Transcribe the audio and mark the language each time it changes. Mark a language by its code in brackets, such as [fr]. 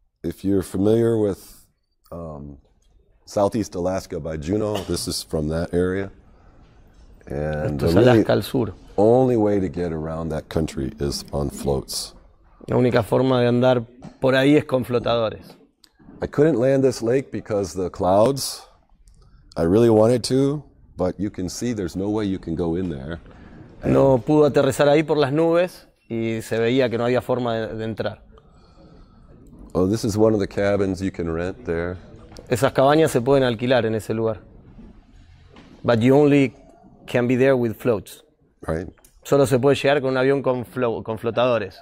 [en] If you're familiar with Southeast Alaska by Juneau, this is from that area. And [es] esto es Alaska, [en] really, [es] al sur. [en] Only way to get around that country is on floats. [es] La única forma de andar por ahí es con flotadores. [en] I couldn't land this lake because the clouds. I really wanted to, but you can see there's no way you can go in there. [es] No pudo aterrizar ahí por las nubes y se veía que no había forma de entrar. [en] Oh, this is one of the cabins you can rent there. [es] Esas cabañas se pueden alquilar en ese lugar. [en] But you only can be there with floats. Right. [es] Solo se puede llegar con un avión con flotadores.